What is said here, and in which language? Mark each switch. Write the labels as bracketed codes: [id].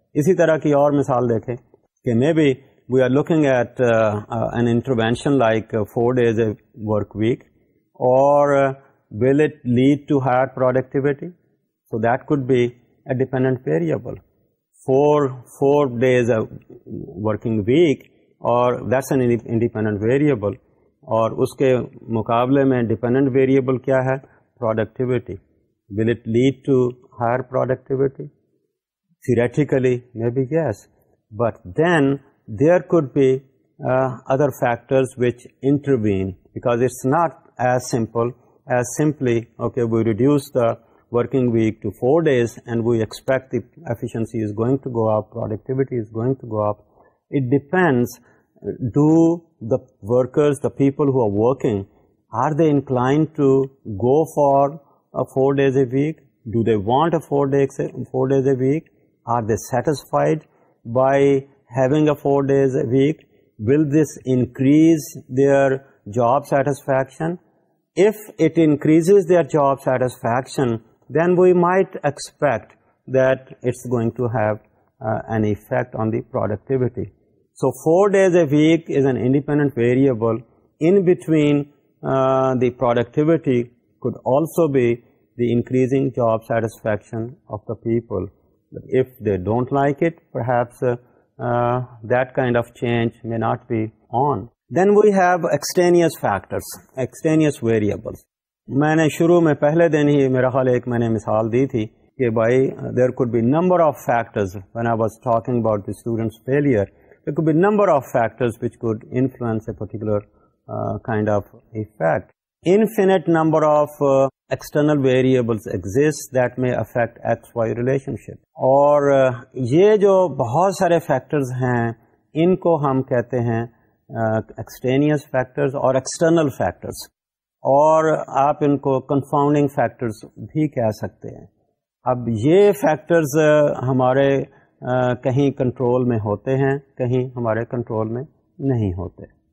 [ur] اسی طرح کی اور مثال دیکھیں کہ [en] Maybe we are looking at an intervention like 4 days a work week, اور will it lead to higher productivity, so that could be a dependent variable. 4 days a working week, اور that's an independent variable, [ur] اور اس کے مقابلے میں [en] Dependent variable کیا ہے, productivity. Will it lead to higher productivity, theoretically maybe yes, but then there could be other factors which intervene, because it's not as simple as simply okay we reduce the working week to 4 days, and we expect the efficiency is going to go up, productivity is going to go up. It depends, do the workers, the people who are working, are they inclined to go for a 4 days a week? Do they want a 4 days a week? Are they satisfied by having a 4 days a week? Will this increase their job satisfaction? If it increases their job satisfaction, then we might expect that it's going to have an effect on the productivity. So 4 days a week is an independent variable. In between the productivity could also be the increasing job satisfaction of the people. But if they don't like it, perhaps that kind of change may not be on. Then we have extraneous factors, extraneous variables. [ur] میں نے شروع میں پہلے دن ہی میرا خیال ایک میں نے مثال دی تھی کہ بھائی [en] there could be number of factors when I was talking about the students failure there could be number of factors which could influence a particular kind of effect infinite number of external variables exist that may affect X Y relation [ur] اور یہ جو بہت سارے factors ہیں ان کو ہم کہتے ہیں ایکسٹرینیس فیکٹرز اور ایکسٹرنل فیکٹرز اور آپ ان کو کنفاؤنڈنگ فیکٹرز بھی کہہ سکتے ہیں اب یہ فیکٹرز ہمارے کہیں کنٹرول میں ہوتے ہیں کہیں ہمارے کنٹرول میں نہیں ہوتے